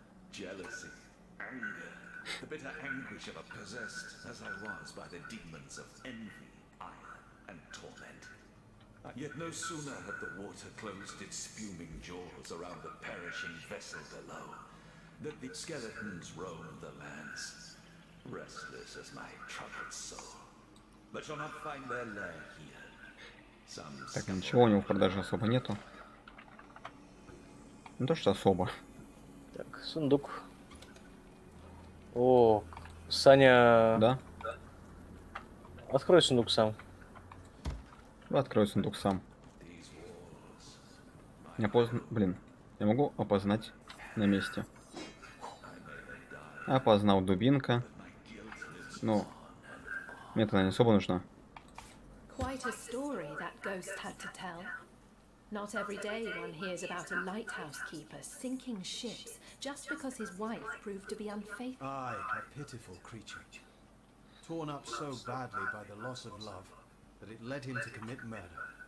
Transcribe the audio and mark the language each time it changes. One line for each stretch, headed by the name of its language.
English: Jealousy, anger, the bitter anguish of a possessed as I was by the demons of envy, ire, and torment. Yet no sooner had the water closed its spuming jaws around the perishing vessel below, that the skeletons roam the lands, restless as my troubled soul. But you'll not find their lair here.
Russian: Some так, ничего у него в продаже особо нету. Не то, что особо. Так, сундук. О, Саня... Да? Открой сундук сам. Открой сундук сам. Не опозн... Блин, я могу опознать на месте. Опознал дубинка. Ну, мне это не особо нужно.
English: Quite a story that ghost had to tell. Not every day one hears about a lighthouse keeper sinking ships just because his wife proved to be unfaithful. Aye, a pitiful creature. Torn up so badly by the loss of love that it led him to commit murder.